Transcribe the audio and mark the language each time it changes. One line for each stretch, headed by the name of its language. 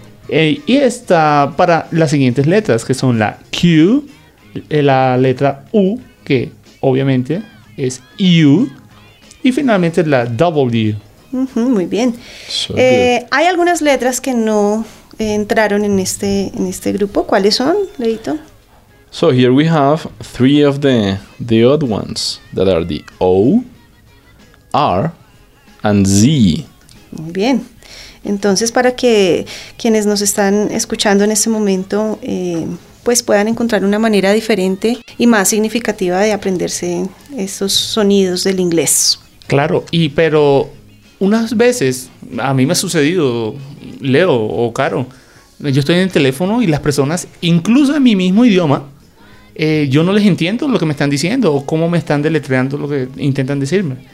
Spanish: Y está para las siguientes letras, que son la Q, la letra U, que obviamente es U, y finalmente la W. Muy bien. Hay algunas letras que no entraron en este grupo. ¿Cuáles son, Leito?
English: So here we have three of the odd ones that are the O, R, and Z.
Spanish: Muy bien. Entonces, para que quienes nos están escuchando en este momento, pues puedan encontrar una manera diferente y más significativa de aprenderse estos sonidos del inglés. Claro, y pero unas veces a mí me ha sucedido, Leo o Caro, yo estoy en el teléfono y las personas, incluso en mi mismo idioma, yo no les entiendo lo que me están diciendo o cómo me están deletreando lo que intentan decirme.